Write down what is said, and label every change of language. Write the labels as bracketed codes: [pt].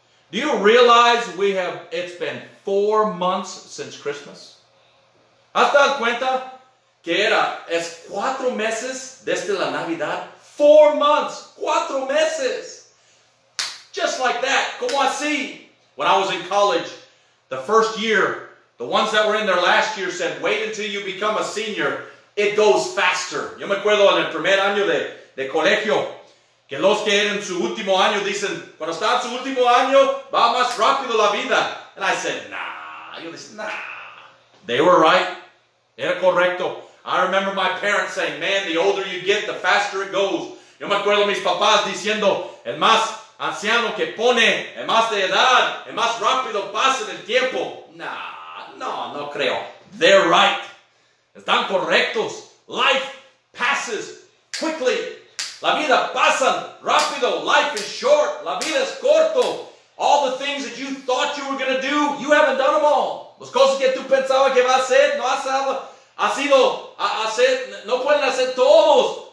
[en] Do you realize it's been 4 months since Christmas? [es] ¿Has dado cuenta que es 4 meses desde la Navidad? [en] 4 months, [es] 4 meses. [en] Just like that. [es] ¿Cómo así? [en] When I was in college, the first year, the ones that were in there last year said, wait until you become a senior. It goes faster. [es] Yo me acuerdo en el primer año de colegio. Que los que eran su último año dicen, cuando está en su último año, va más rápido la vida. [en] And I said, nah. [es] Yo dije, nah. [en] They were right. [es] Era correcto. [en] I remember my parents saying, man, the older you get, the faster it goes. [es] Yo me acuerdo mis papás diciendo, el más anciano que pone, el más de edad, el más rápido pasa el tiempo. Nah, no creo. [en] They're right. [es] Están correctos. [en] Life passes quickly. [es] La vida pasa rápido. [en] Life is short. [es] La vida es corto. [en] All the things that you thought you were going to do, you haven't done them all. [es] Las cosas que tú pensabas que vas a hacer, no has sido, no pueden hacer todos.